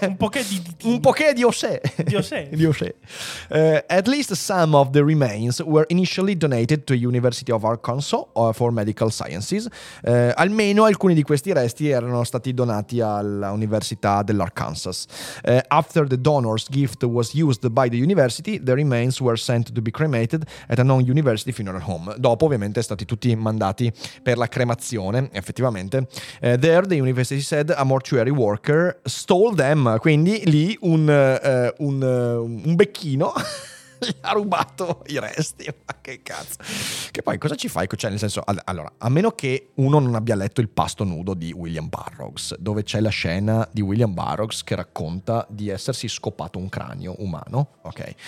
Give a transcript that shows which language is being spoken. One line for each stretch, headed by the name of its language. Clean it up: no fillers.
Italian: Un poke di. Un poke di Osè. Di Osè.
English: At least some of the remains were initially donated to University of Arkansas for Medical Sciences.
Italian: Almeno alcuni di questi resti erano stati donati all'Università dell'Arkansas.
English: After the donor's gift was used by the university, the remains were sent to be cremated at a non-university funeral home.
Italian: Dopo, ovviamente, stati tutti mandati per la cremazione, effettivamente.
English: There, the university said, a mortuary worker stole them.
Italian: Quindi, lì, un becchino gli ha rubato i resti. Ma che cazzo. Che poi, cosa ci fai? Cioè, nel senso, allora, a meno che uno non abbia letto Il pasto nudo di William Burroughs, dove c'è la scena di William Burroughs che racconta di essersi scopato un cranio umano, ok?